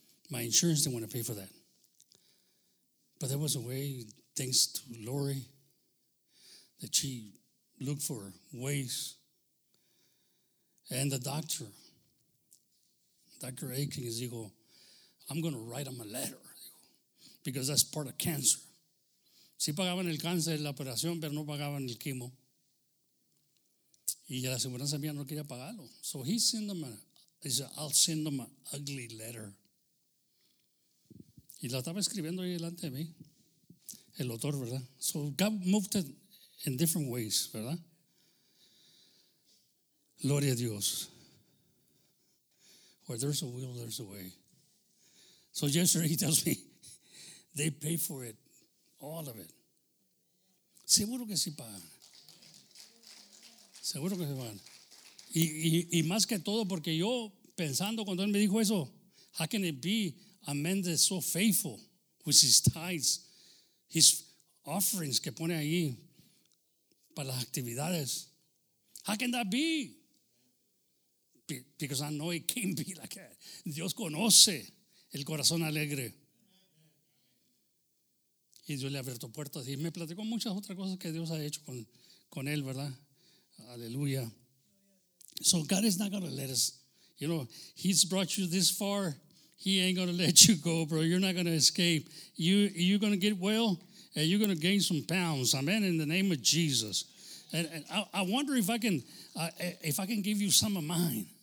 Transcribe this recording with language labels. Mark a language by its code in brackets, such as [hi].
[en] My insurance didn't want to pay for that. But there was a way, thanks to Lori, that she looked for ways. And the doctor, Dr. Aiken, is dijo, I'm going to write him a letter, dijo, because that's part of cancer. [es] Sí pagaban el cáncer, la operación, pero no pagaban el quimo. Y la aseguranza mía no quería pagarlo. [en] So he sent him I'll send him an ugly letter. [es] Y la estaba escribiendo ahí delante de mí, el autor, ¿verdad? [en] So God moved it in different ways, ¿verdad? [es] Gloria a Dios. [en] Where there's a will, there's a way. So yesterday he tells me, they pay for it, all of it. [es] Seguro que sí pagan. Seguro que se van. Y más que todo, porque yo pensando cuando él me dijo eso, [en] how can it be a man that's so faithful with his tithes, his offerings [es] que pone ahí para las actividades? [en] How can that be? Because I know it can be like that. [es] Dios conoce el corazón alegre. Y Dios le ha abierto puertas. Y me platicó muchas otras cosas que Dios ha hecho con él, ¿verdad? Aleluya. [en] So God is not going to let us, you know, he's brought you this far. He ain't going to let you go, bro. You're not going to escape. You're going to get well, and you're going to gain some pounds. Amen, in the name of Jesus. And I wonder if I can give you some of mine.